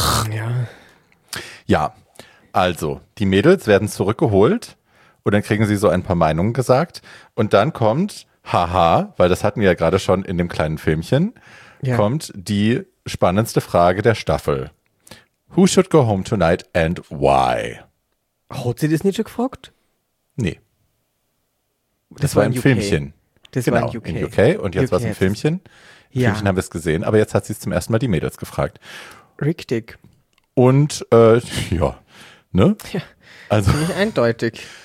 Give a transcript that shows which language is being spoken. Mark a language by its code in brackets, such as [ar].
[de] Ja. Ja, also, die Mädels werden zurückgeholt und dann kriegen sie so ein paar Meinungen gesagt. Und dann kommt, haha, weil das hatten wir ja gerade schon in dem kleinen Filmchen, kommt die spannendste Frage der Staffel. [en] Who should go home tonight and why? [de] Hat sie das nicht schon gefragt? Nee. Das war ein Filmchen. Das genau, war in UK. In UK und jetzt war es ein Filmchen. Im Filmchen haben wir es gesehen, aber jetzt hat sie es zum ersten Mal die Mädels gefragt. Richtig. Und ne? Ja, also, ziemlich eindeutig.